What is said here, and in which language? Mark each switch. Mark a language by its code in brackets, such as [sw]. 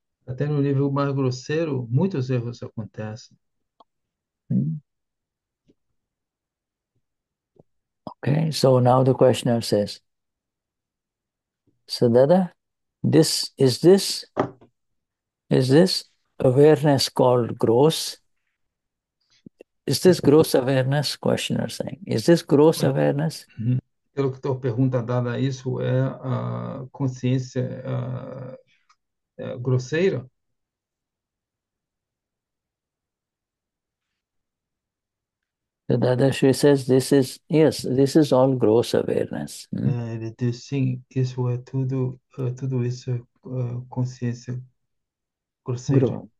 [pt] Até no nível mais grosseiro, muitos erros acontecem. [en] Okay, so now the questioner says, so Dada, is this awareness called gross? Is this gross awareness? Questioner saying, is this gross awareness? [pt] Pelo que estou perguntando, dada isso, é a consciência grosseira? [en] The Dada Shri says, this is all gross awareness. [pt] Ele diz sim, isso é tudo, tudo isso é consciência grosseira.